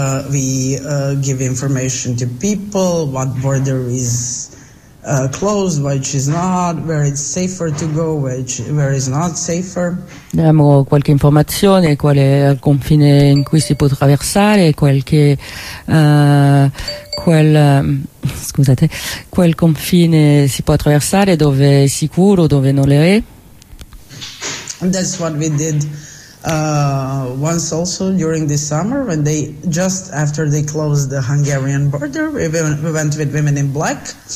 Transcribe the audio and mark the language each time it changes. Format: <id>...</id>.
<en>We give information to people what border is closed, which is not, where it's safer to go, where is not safer.</en> <it>Diamo qualche informazione, qual è il confine in cui si può attraversare, quel confine si può attraversare, dove è sicuro, dove non lo è.</it> <en>That's what we did once also during this summer, when they just after they closed the Hungarian border, we went with Women in Black.</en>